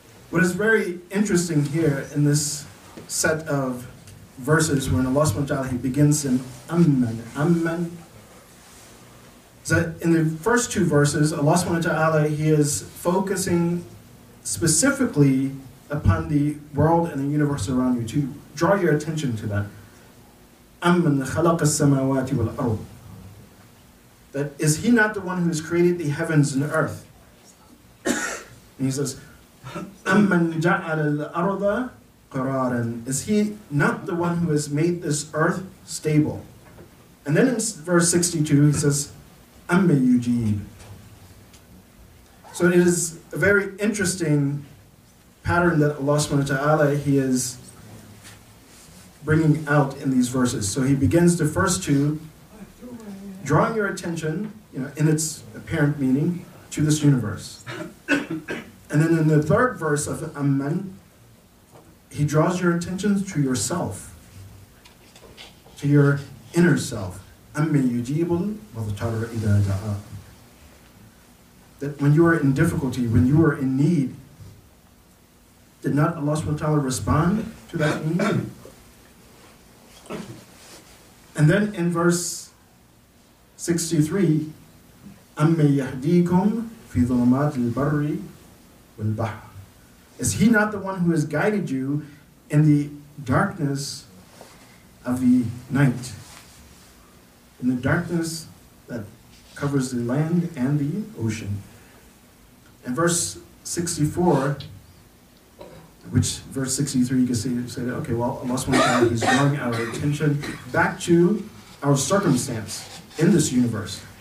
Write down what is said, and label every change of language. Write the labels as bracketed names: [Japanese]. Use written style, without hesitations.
[English] What is very interesting here in this set of verses when Allah subhanahu wa ta'ala, he begins in أَمَّنْ, is that in the first two verses, Allah subhanahu wa ta'ala, he is focusing specifically upon the world and the universe around you, to draw your attention to that. [Arabic] أَمَّنْ خَلَقَ السَّمَاوَاتِ وَالْأَرْضِ. [English] That is he not the one who has created the heavens and the earth? And he says, [Arabic] أَمَّنْ جَعَلَ الْأَرْضَ قَرَارًا. [English] Is he not the one who has made this earth stable? And then in verse 62, he says, [Arabic] أَمَّنْ يُجِيبُ. [English] So it is a very interesting pattern that Allah subhanahu wa ta'ala, he is bringing out in these verses. So he begins the first two, drawing your attention, you know, in its apparent meaning, to this universe. And then in the third verse of Amman, he draws your attention to yourself, to your inner self. [Arabic] أَمَّنْ يُجِيبُ الْمُضْطَرَّ إِذَا دَعَاهُ. [English] That when you are in difficulty, when you are in need, did not Allah subhanahu wa ta'ala respond to that need? And then in verse 63, [Arabic] أَمَّنْ يَهْدِيكُمْ فِي ظُلُمَاتِ الْبَرِّ وَالْبَحْرِ. [English] Is he not the one who has guided you in the darkness of the night, in the darkness that covers the land and the ocean? And verse 64, which verse 63, you can see, say that, okay, well, Allah subhanahu wa ta'ala is drawing our attention back to our circumstance in this universe.